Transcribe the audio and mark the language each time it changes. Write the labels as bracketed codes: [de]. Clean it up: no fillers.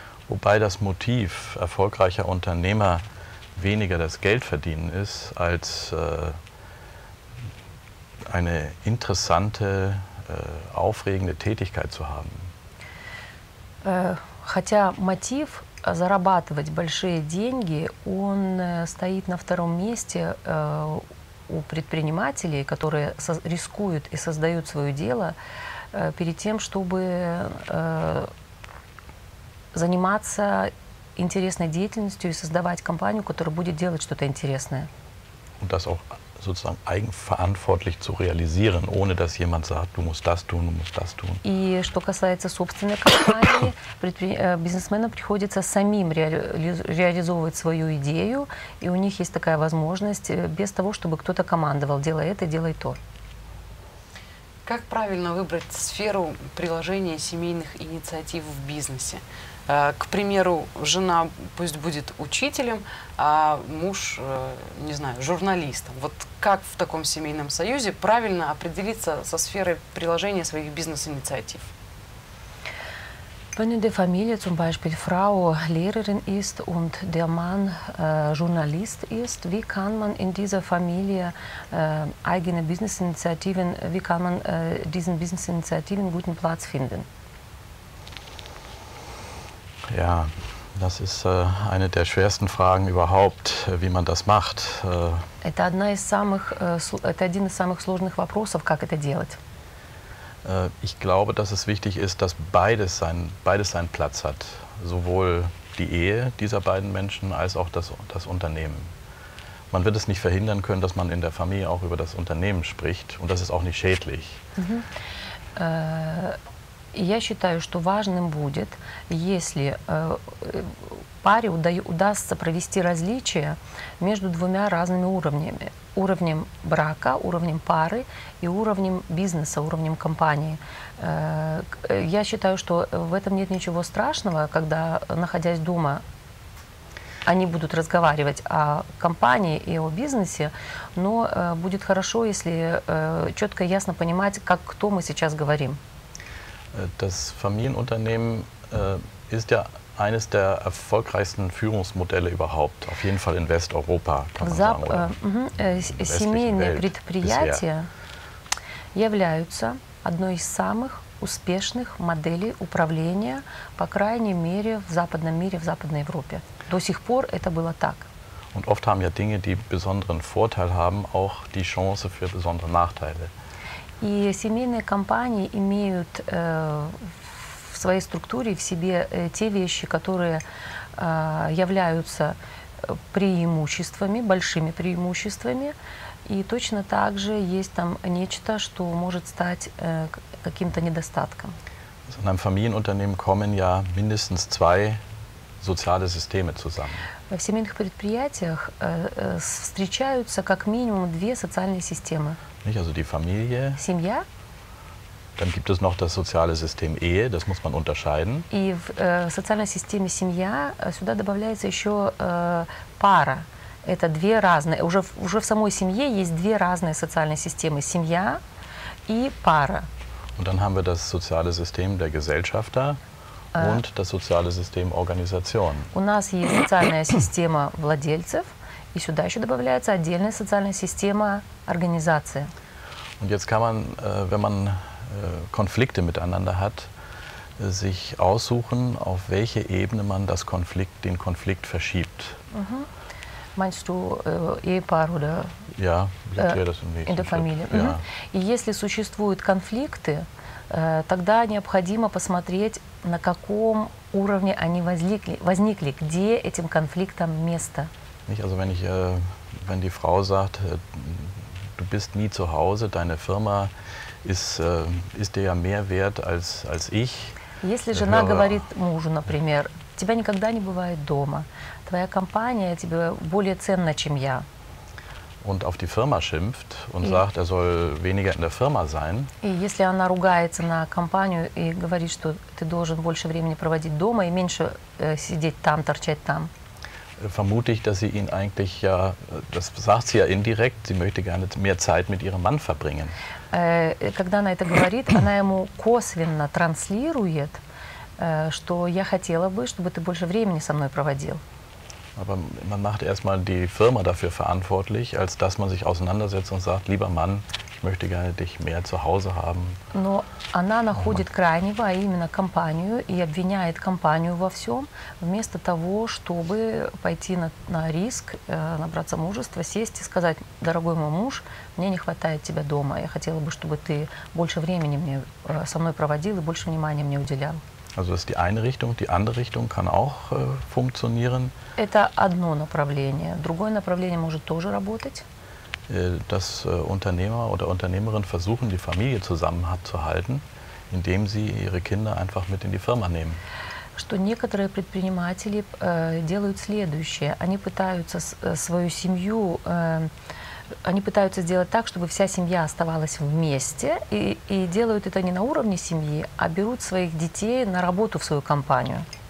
[de] Wobei das Motiv erfolgreicher Unternehmer weniger das Geldverdienen ist, als eine interessante, aufregende Tätigkeit zu haben. [ru] Хотя Мотив зарабатывать большие деньги, он стоит на втором месте у предпринимателей, которые рискуют и создают свое дело, перед тем, чтобы заниматься интересной деятельностью и создавать компанию, которая будет делать что-то интересное. [de] Und das auch sozusagen eigenverantwortlich zu realisieren, ohne dass jemand sagt, du musst das tun, du musst das tun. [ru] И что касается собственной компании, бизнесменам приходится самим реализовывать свою идею, и у них есть такая возможность без того, чтобы кто-то командовал, делай это, делай то. Как правильно выбрать сферу приложения семейных инициатив в бизнесе? К примеру, жена пусть будет учителем, а муж, не знаю, журналистом. Вот как в таком семейном союзе правильно определиться со сферой приложения своих бизнес-инициатив? [de] Wenn die Familie zum Beispiel Frau Lehrerin ist und der Mann Journalist ist, wie kann man in dieser Familie eigene Business-Initiativen, wie kann man diesen Business-Initiativen guten Platz finden? Ja, das ist eine der schwersten Fragen überhaupt, wie man das macht. [ru] Это один из самых сложных вопросов, как это делать. [de] Ich glaube, dass es wichtig ist, dass beides seinen Platz hat. Sowohl die Ehe dieser beiden Menschen als auch das Unternehmen. Man wird es nicht verhindern können, dass man in der Familie auch über das Unternehmen spricht. Und das ist auch nicht schädlich. [ru] Я считаю, что важным будет, если паре удастся провести различия между двумя разными уровнями. Уровнем брака, уровнем пары и уровнем бизнеса, уровнем компании. Я считаю, что в этом нет ничего страшного, когда, находясь дома, они будут разговаривать о компании и о бизнесе, но будет хорошо, если четко и ясно понимать, как кто мы сейчас говорим. [de] Das Familienunternehmen ist ja eines der erfolgreichsten Führungsmodelle überhaupt, auf jeden Fall in Westeuropa, kann man sagen, oder in der westlichen Welt. [ru] Семейные предприятия являются одной из самых успешных моделей управления, по крайней мере, в западном мире, в Западной Европе. До сих пор это было так. [de] Und oft haben ja Dinge, die besonderen Vorteil haben, auch die Chance für besondere Nachteile. [ru] И семейные компании имеют в своей структуре, в себе те вещи, которые являются преимуществами, большими преимуществами. И точно так же есть там нечто, что может стать каким-то недостатком. [de] In einem Familienunternehmen kommen ja mindestens zwei soziale Systeme zusammen. [ru] В семейных предприятиях встречаются как минимум две социальные системы. [de] Nicht, also die Familie. [ru] Семья. [de] Dann gibt es noch das soziale System Ehe, das muss man unterscheiden. [ru] И в социальной системе семья сюда добавляется еще пара. Это две разные. Уже в самой семье есть две разные социальные системы: семья и пара. [de] Und dann haben wir das soziale System der Gesellschafter und das soziale System Organisation. [ru] У нас есть социальная система владельцев, и сюда еще добавляется отдельная социальная система организации. [de] Und jetzt kann man, wenn man Konflikte miteinander hat, sich aussuchen, auf welche Ebene man das Konflikt, den Konflikt verschiebt. Meinst du Ehepaar oder ja, das im in der Familie? Ja. [ru] И если существуют конфликты, тогда необходимо посмотреть, на каком уровне они возникли, где этим конфликтам место. [de] Nicht, also wenn, ich, wenn die Frau sagt, du bist nie zu Hause, deine Firma ist dir ja mehr wert als ich. [ru] Если жена говорит мужу, например, тебя никогда не бывает дома, твоя компания тебе более ценна, чем я. [de] Und auf die Firma schimpft und sagt, er soll weniger in der Firma sein. [ru] И если она ругается на компанию и говорит, что ты должен больше времени проводить дома и меньше сидеть там, торчать там. [de] Vermute ich, dass sie ihn eigentlich ja, das sagt sie ja indirekt, sie möchte gerne mehr Zeit mit ihrem Mann verbringen. [ru] Когда она это говорит, она ему косвенно транслирует, что я хотела бы, чтобы ты больше времени со мной проводил. [de] Aber man macht erstmal die Firma dafür verantwortlich, als dass man sich auseinandersetzt und sagt, lieber Mann, ich möchte gerne dich mehr zu Hause haben. [ru] Но она находит крайнего, а именно компанию, и обвиняет компанию во всем, вместо того, чтобы пойти на риск, набраться мужества, сесть и сказать, дорогой мой муж, мне не хватает тебя дома, я хотела бы, чтобы ты больше времени мне со мной проводил и больше внимания мне уделял. [de] Also das ist die eine Richtung, die andere Richtung kann auch funktionieren. [ru] Это одно направление. Другое направление может тоже работать. [de] Dass Unternehmer oder Unternehmerin versuchen, die Familie zusammenzuhalten, indem sie ihre Kinder einfach mit in die Firma nehmen. [ru] Что некоторые предприниматели делают следующее. Они пытаются свою семью, они пытаются сделать так, чтобы вся семья оставалась вместе, и делают это не на уровне семьи, а берут своих детей на работу в свою компанию.